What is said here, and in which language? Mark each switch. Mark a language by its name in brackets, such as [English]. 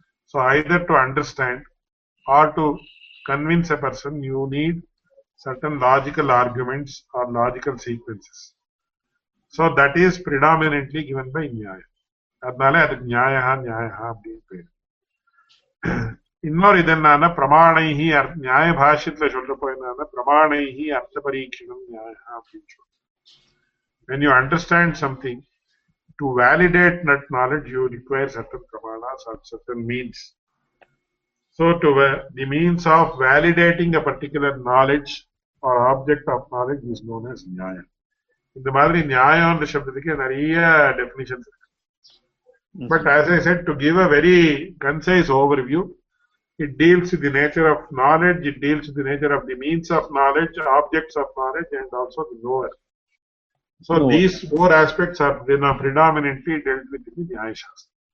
[English] So either to understand or to convince a person, you need certain logical arguments or logical sequences. So that is predominantly given by Nyaya. [Tamil] அதனால அதுக்கு நியாயா நியாயா அப்படின்னு பேர். இன்னொரு இது என்ன, பிரமாணைஹி நியாய பாஷ்யத்துல சொல்ற போயிருந்தா [Sanskrit] பிரமாணைஹி அர்த்த பரீட்சணம் நியாய [Tamil] அப்படின்னு சொல்றேன். [English] When you understand something, to validate that knowledge, you require certain pramanas or certain means. So, the means of validating a particular knowledge or object of knowledge is known as nyaya. [Tamil] இந்த மாதிரி நியாயம்ன்ற சப்தத்துக்கு நிறைய definitions இருக்கு. [English] But as I said, to give a very concise overview, it deals with the nature of knowledge, it deals with the nature of the means of knowledge, objects of knowledge, and also the knower. So these four aspects are predominantly dealt with in the Nyaya Shastra.